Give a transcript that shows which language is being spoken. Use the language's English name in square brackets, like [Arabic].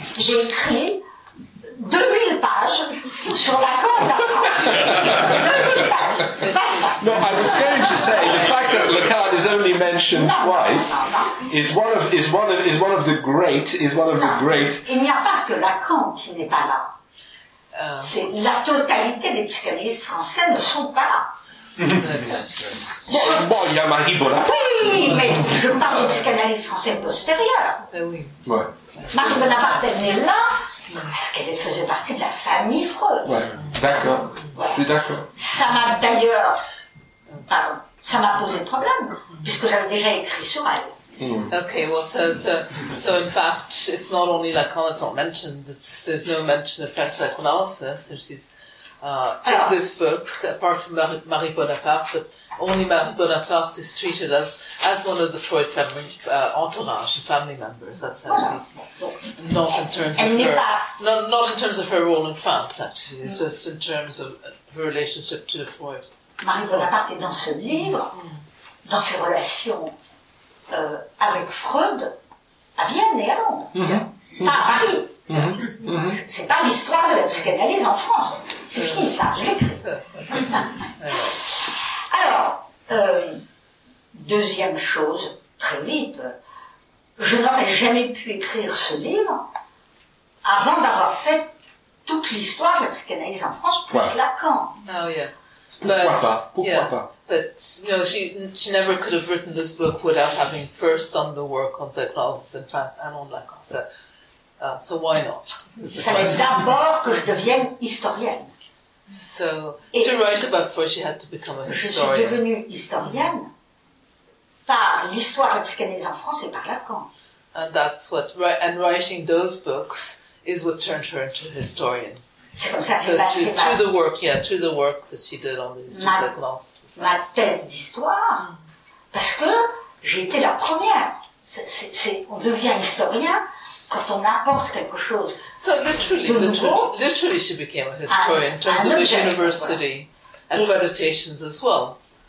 [French] J'ai écrit 2000 pages sur Lacan et la France. 2000 pages. [English] No, I was going to say the fact that Lacan is only mentioned twice is one of the great. [French] Il n'y a pas que Lacan qui n'est pas là. C'est la totalité des psychanalystes français ne sont pas là. Bon, il y a Marie Bonaparte. Oui, mais je parle de psychanalyse française postérieure. Ben oui. Ouais. Marie Bonaparte, elle est là parce qu'elle faisait partie de la famille Freud. Ouais, d'accord. Ouais. Je suis d'accord. Ça m'a d'ailleurs... Pardon. Ça m'a posé problème, puisque j'avais déjà écrit sur elle. Mm. [English] Okay, well, so in fact, it's not only Lacan that's not mentioned, there's no mention of French psychoanalysis, which is in this book, apart from Marie Bonaparte, but only Marie Bonaparte is treated as one of the Freud family entourage, family members. That's how she's not in terms of her, not in terms of her role in France, actually, it's just in terms of her relationship to Freud. [French] Marie Bonaparte est dans ce livre, dans ses relations. Avec Freud à Vienne et à Londres, pas à Paris. C'est pas l'histoire de la psychanalyse en France. C'est fini, ça. Alors, deuxième chose, très vite, je n'aurais jamais pu écrire ce livre avant d'avoir fait toute l'histoire de la psychanalyse en France pour Lacan. [English] Oh, yeah. [French] Pourquoi pas? [English] But you know, she never could have written this book without having first done the work on psychoanalysis in France and on Lacan. So why not? [French] Fallait d'abord que je devienne historienne. [English] So et to write about Freud, she had to become a historian. [French] Je suis devenue historienne par l'histoire de la psychanalyse en France et par Lacan. [English] And that's what writing those books is what turned her into a historian. To the work that she did on these psychoanalysis. [French] Ma thèse d'histoire, parce que j'ai été la première. On devient historien quand on apporte quelque chose. [English] So literally she became a historian in terms of university accreditations as well.